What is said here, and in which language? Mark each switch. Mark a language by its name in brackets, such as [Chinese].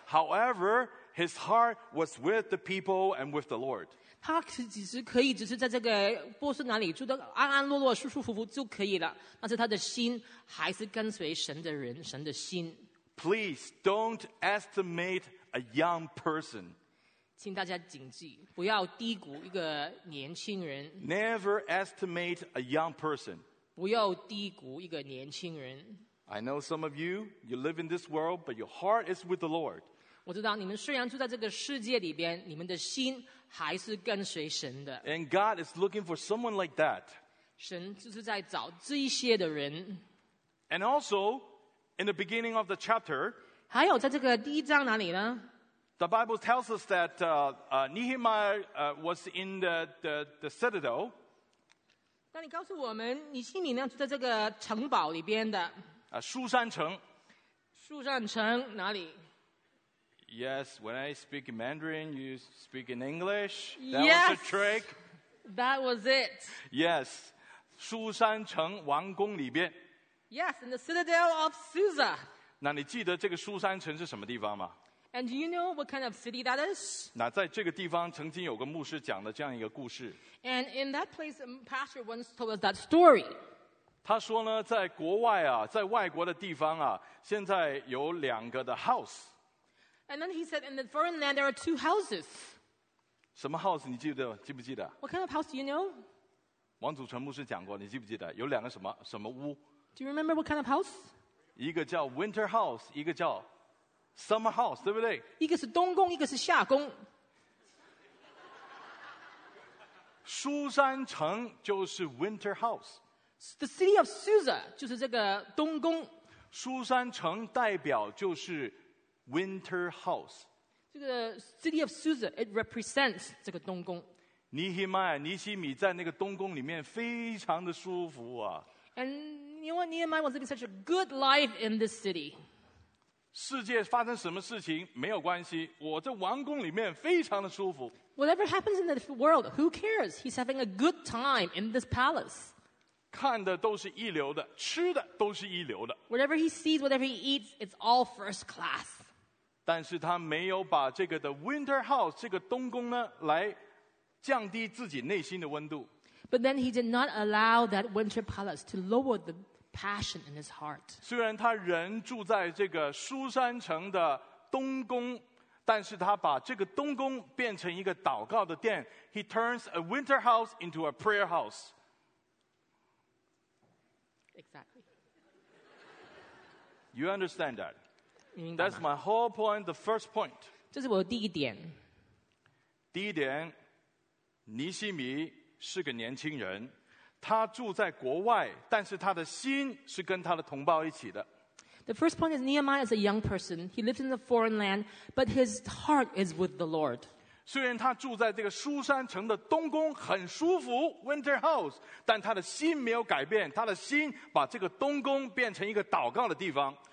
[English] However, his heart was with the people and with the Lord. [Chinese] 他其实可以只是在这个波斯那里住得安安落落舒舒服服就可以了，但是他的心还是跟随神的人，神的心。 [English] Please don't estimate a young person. [Chinese] 请大家谨记，不要低估一个年轻人。 [English] Never estimate a young person. [Chinese] 不要低估一个年轻人。 [English] I know some of you live in this world, but your heart is with the Lord. [Chinese] 我知道你们虽然住在这个世界里边，你们的心还是跟随神的。 [English] And God is looking for someone like that. [Chinese] 神就是在找这一些的人。 [English] And also, in the beginning of the chapter, [Chinese] 还有在这个第一章哪里呢？ [English] The Bible tells us that Nehemiah was in the citadel. [Chinese] 那你告诉我们，尼希米呢住在这个城堡里边的？苏珊城。苏珊城哪里？ [English] Yes, when I speak in Mandarin, you speak in English. That yes, was a trick. That was it. [Chinese] Yes, 苏珊城王宫里边。 [English] Yes, in the citadel of Susa. [Chinese] 那你记得这个苏珊城是什么地方吗？ [English] And do you know what kind of city that is? [Chinese] 那在这个地方曾经有个牧师讲的这样一个故事。 [English] And in that place, a pastor once told us that story. [Chinese] 他说呢，在国外啊，在外国的地方啊，现在有两个的 house。 [English] And then he said, in the foreign land, there are two houses. [Chinese] 什么 house 你记得记不记得 [English] What kind of house do you know? [Chinese] 王祖成牧师讲过你记不记得有两个什么屋 [English] Do you remember what kind of house? [Chinese] 一个叫 [English] winter house [Chinese] 一个叫 [English] summer house [Chinese] 对不对一个是冬宫一个是夏宫苏珊城就是 [English] winter house The city of Susa [Chinese] 就是这个冬宫苏珊城代表就是 winter house [English] 这个 city of Susa it represents [Chinese] 这个冬宫尼希迈尼希米在那个冬宫里面非常的舒服啊 [English] and you know what Nehemiah was living such a good life in this city [Chinese] 世界发生什么事情没有关系我在王宫里面非常的舒服 [English] whatever happens in the world who cares he's having a good time in this palace [Chinese] 看的都是一流的吃的都是一流的 [English] Whatever he sees, whatever he eats, it's all first class. [Chinese] 但是他没有把这个的 [English] winter house, [Chinese] 这个冬宫呢来降低自己内心的温度 [English] But then he did not allow that winter palace to lower the passion in his heart. [Chinese] 虽然他人住在这个苏珊城的冬宫但是他把这个冬宫变成一个祷告的殿 [English] He turns a winter house into a prayer house. You understand that? That's my whole point, the first point. [Chinese] 这是我的第一点。第一点，尼希米是个年轻人，他住在国外，但是他的心是跟他的同胞一起的。 [English] The first point is Nehemiah is a young person. He lives in a foreign land, but his heart is with the Lord. [Chinese] 虽然他住在这个苏珊城的冬宫很舒服 , [English] winter house, [Chinese] 但他的心没有改变他的心把这个冬宫变成一个祷告的地方。